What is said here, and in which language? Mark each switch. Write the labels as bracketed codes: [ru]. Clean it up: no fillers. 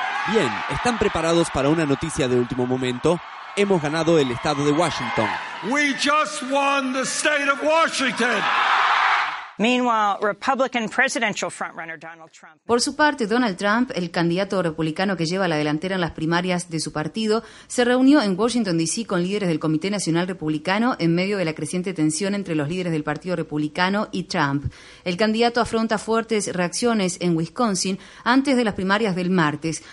[es] Bien, ¿están preparados para una noticia de último momento? Hemos ganado el estado de Washington. [en] We just won the state of Washington. Meanwhile, Republican presidential frontrunner Donald Trump. [es] Por su parte, Donald Trump, el candidato republicano que lleva la delantera en las primarias de su partido, se reunió en Washington, D.C. con líderes del Comité Nacional Republicano en medio de la creciente tensión entre los líderes del Partido Republicano y Trump. El candidato afronta fuertes reacciones en Wisconsin antes de las primarias del martes.